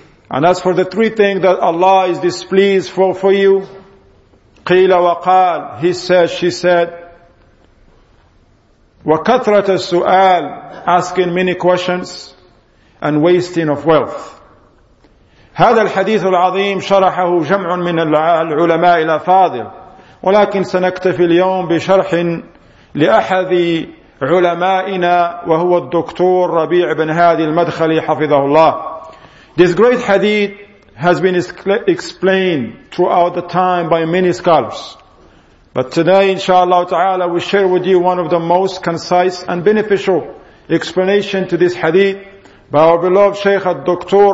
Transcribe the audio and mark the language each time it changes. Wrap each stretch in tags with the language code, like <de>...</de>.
<en>And as for the three things that Allah is displeased for you,</en> <ar>قِيلَ وَقَالَ,</ar> <en>He said, she said,</en> <ar>وَكَثْرَةَ السُّؤَالِ,</ar> <en>asking many questions, and wasting of wealth.</en> <ar>هذا الحديث العظيم شرحه جمع من العلماء إلى فاضل ولكن سنكتفي اليوم بشرح لأحد علمائنا وهو الدكتور ربيع بن هادي المدخلي حفظه الله.</ar> <en>This great hadith has been explained throughout the time by many scholars. But today, inshallah ta'ala, we share with you one of the most concise and beneficial explanation to this hadith by our beloved Shaykh Dr.</en>